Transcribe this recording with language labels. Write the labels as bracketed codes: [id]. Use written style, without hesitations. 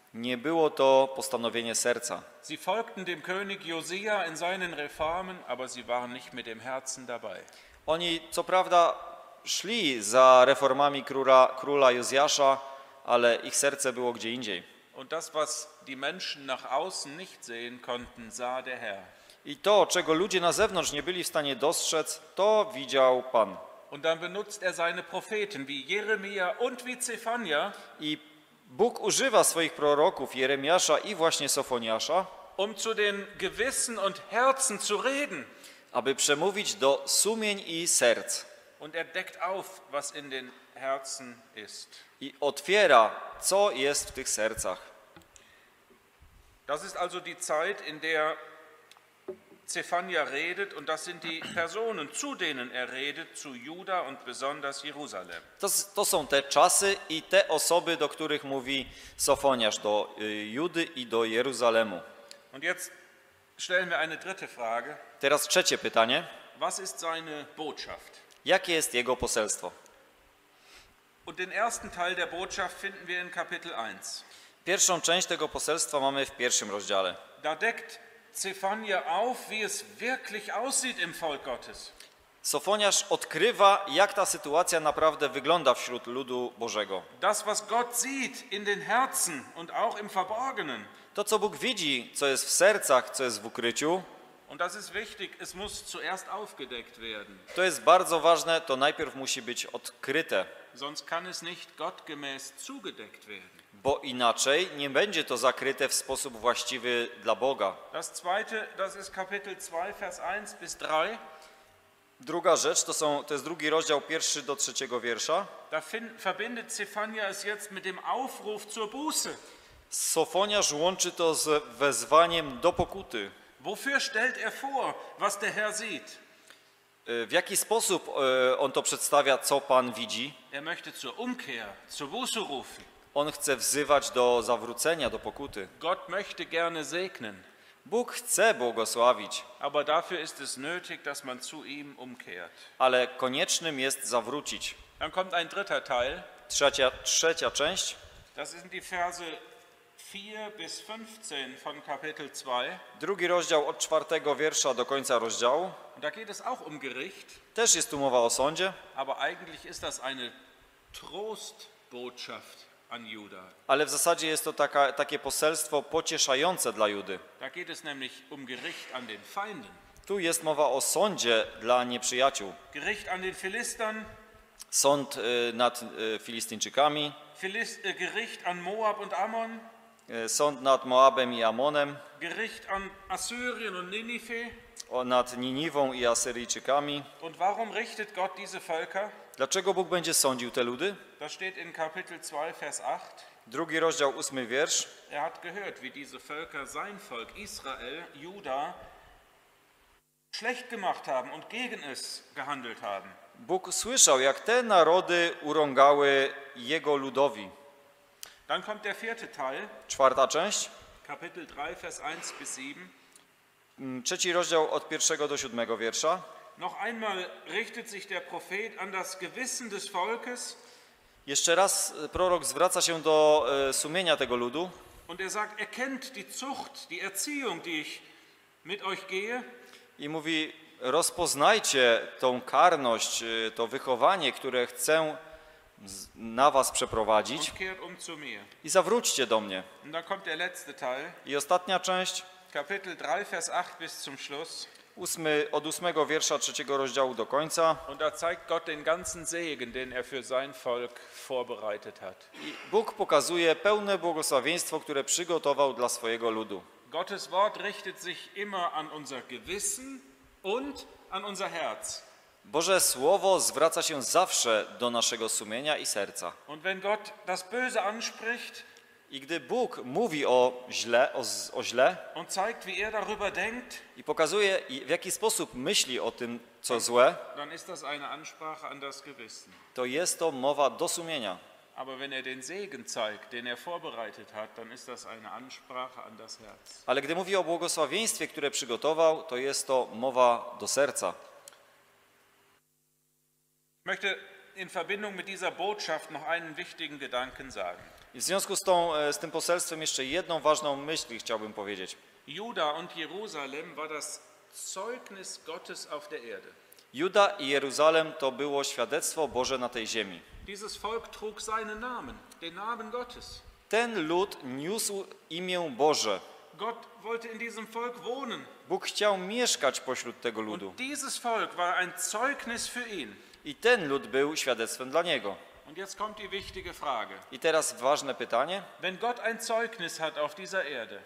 [pl] Nie było to postanowienie serca. [de] Sie folgten dem König Josia in seinen Reformen, aber sie waren nicht mit dem Herzen dabei. [pl] Oni co prawda szli za reformami króla Jozjasza, ale ich serce było gdzie indziej. [de] Und das, was die Menschen nach außen nicht sehen konnten, sah der Herr. [pl] I to, czego ludzie na zewnątrz nie byli w stanie dostrzec, to widział Pan. [de] Und dann benutzt er seine Propheten wie Jeremia und wie Zefania. [pl] I Bóg używa swoich proroków Jeremiasza i właśnie Sofoniasza, [de] um zu den Gewissen und Herzen zu reden, [pl] aby przemówić do sumień i serc. [de] Und er deckt auf, was in den Herzen ist. [pl] I otwiera, co jest w tych sercach. [de] Das ist also die Zeit, in der Zephania redet, und das sind die Personen, zu denen er redet, zu Juda und besonders Jerusalem. [pl] To są te czasy i te osoby, do których mówi Sofoniasz, do Judy i do Jeruzalemu. [de] Und jetzt stellen wir eine dritte Frage. [pl] Teraz trzecie pytanie. [de] Was ist seine Botschaft? [pl] Jakie jest jego poselstwo? [de] Und den ersten Teil der Botschaft finden wir in Kapitel 1. [pl] Pierwszą część tego poselstwa mamy w pierwszym rozdziale. [de] Da deckt Zephania auf, wie es wirklich aussieht im Volk Gottes. [pl] Sofoniasz odkrywa, jak ta sytuacja naprawdę wygląda wśród ludu Bożego. [de] Das, was Gott sieht in den Herzen und auch im Verborgenen. [pl] To, co Bóg widzi, co jest w sercach, co jest w ukryciu. [de] Und das ist wichtig, es muss zuerst aufgedeckt werden. [pl] To jest bardzo ważne, to najpierw musi być odkryte. [de] Sonst kann es nicht gottgemäß zugedeckt werden. [pl] Bo inaczej nie będzie to zakryte w sposób właściwy dla Boga. [de] Das zweite, das ist Kapitel 2, Vers 1 bis 3. [pl] Druga rzecz, to jest drugi rozdział, pierwszy do trzeciego wiersza. [de] Da verbindet Zephania es jetzt mit dem Aufruf zur Buße. [pl] Sofoniasz łączy to z wezwaniem do pokuty. [de] Wofür stellt er vor, was der Herr sieht? [pl] W jaki sposób on to przedstawia, co Pan widzi? [de] Er möchte zur Umkehr, zur Buße rufen. [pl] On chce wzywać do zawrócenia, do pokuty. [de] Gott möchte gerne segnen. [pl] Bóg chce błogosławić. [de] Aber dafür ist es nötig, dass man zu ihm umkehrt. [pl] Ale koniecznym jest zawrócić. [de] Dann kommt ein dritter Teil. [pl] Trzecia część. [de] Das sind die Verse 4 bis 15 von Kapitel 2. [pl] Drugi rozdział od czwartego wiersza do końca rozdziału. [de] Und da geht es auch um Gericht. [pl] Też jest tu mowa o sądzie. [de] Aber eigentlich ist das eine Trostbotschaft. an Juda. [pl] Ale w zasadzie jest to takie poselstwo pocieszające dla Judy. [de] Da geht es nämlich um Gericht an den Feinden. [pl] Tu jest mowa o sądzie dla nieprzyjaciół. [de] Gericht an den Philistern. [pl] Sąd nad Filistyńczykami. [de] Gericht an Moab und Ammon. [pl] Sąd nad Moabem i Amonem. [de] Gericht an Assyrien und Ninive. [pl] Nad Niniwą i Asyryjczykami. [de] Und warum richtet Gott diese Völker? [pl] Dlaczego Bóg będzie sądził te ludy? [de] Da steht in Kapitel 2 Vers 8. [pl] Drugi rozdział, 8 wiersz. [de] Er hat gehört, wie diese Völker sein Volk Israel, Juda schlecht gemacht haben und gegen es gehandelt haben. [pl] Bóg słyszał, jak te narody urągały jego ludowi. [de] Dann kommt der vierte Teil. [pl] Czwarta część. [de] Kapitel 3 Vers 1 bis 7. [pl] Trzeci rozdział od 1 do 7 wiersza. [de] Noch einmal richtet sich der Prophet an das Gewissen des Volkes. [pl] Jeszcze raz prorok zwraca się do sumienia tego ludu. [de] Und er sagt, erkennt die Zucht, die Erziehung, die ich mit euch gehe. [pl] I mówi, rozpoznajcie tą karność, to wychowanie, które chcę na was przeprowadzić. [de] Und kehrt um zu mir. [pl] I zawróćcie do mnie. [de] Und dann kommt der letzte Teil. [pl] I ostatnia część. [de] Kapitel 3, Vers 8 bis zum Schluss. [pl] Od 8 wiersza 3 rozdziału do końca. [de] Und da zeigt Gott den ganzen Segen, den er für sein Volk vorbereitet hat. [pl] I Bóg pokazuje pełne błogosławieństwo, które przygotował dla swojego ludu. [de] Gottes Wort richtet sich immer an unser Gewissen und an unser Herz. [pl] Boże Słowo zwraca się zawsze do naszego sumienia i serca. [de] Und wenn Gott das Böse anspricht, [pl] i gdy Bóg mówi o źle, o źle [de] und zeigt, wie er darüber denkt, [pl] i pokazuje, w jaki sposób myśli o tym, co złe, [de] dann ist das eine Ansprache an das Gewissen. [pl] To jest to mowa do sumienia. [de] Aber wenn er den Segen zeigt, den er vorbereitet hat, dann ist das eine Ansprache an das Herz. [pl] Ale gdy mówi o błogosławieństwie, które przygotował, to jest to mowa do serca. [de] Ich möchte in Verbindung mit dieser Botschaft noch einen wichtigen Gedanken sagen. [pl] W związku z tym poselstwem jeszcze jedną ważną myśl chciałbym powiedzieć. [de] Juda und Jerusalem war das Zeugnis Gottes auf der Erde. [pl] Juda i Jeruzalem to było świadectwo Boże na tej ziemi. [de] Dieses Volk trug seinen Namen, den Namen Gottes. [pl] Ten lud niósł imię Boże. [de] Gott wollte in diesem Volk wohnen. [pl] Bóg chciał mieszkać pośród tego ludu. [de] Und dieses Volk war ein Zeugnis für ihn. [pl] I ten lud był świadectwem dla niego. [de] Und jetzt kommt die wichtige Frage. [pl] I teraz ważne pytanie. [de] Wenn Gott ein Zeugnis hat auf dieser Erde,